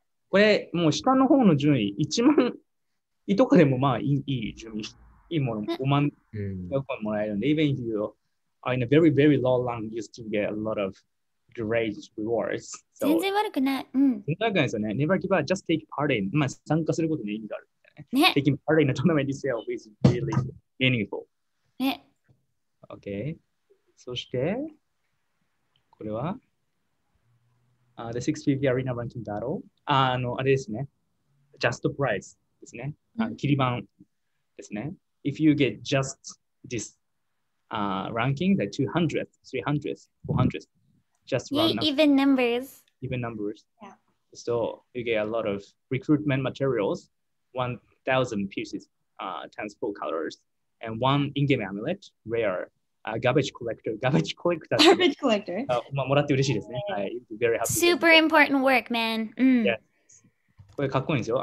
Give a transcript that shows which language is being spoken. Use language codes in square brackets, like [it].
[ja] これ、もう下の方の順位、1万位とかでもまあいい順位、いいもの、5万円とかもらえるんで、 [en] even if you are in a very, very low rank, you still get a lot of great rewards. [ja] So, 全然悪くない。全然悪くないですよね。 [en] Never give up, just take part in. [ja] まあ参加することに意味があるんで、ね。ね。 [en] Taking part in a tournament itself is really meaningful. [ja] ね。 [en] Okay. [ja] そして、これは、 [en] the 6PV Arena Ranking Battle. [ja] あれですね。Just Prize ですね。キリバンですね。 [en] If you get just this ranking, the 200th, 300th, 400th, just run up. Even numbers. Even numbers. Yeah. So you get a lot of recruitment materials, 1,000 pieces, 10 full colors, and one in-game amulet, rare. Garbage collector. Garbage collector. [ja] まあ、もらって嬉しいですね。 [en] はい。Very happy. Super important work, man.、Mm. Yeah. [ja] これかっこいいんですよ。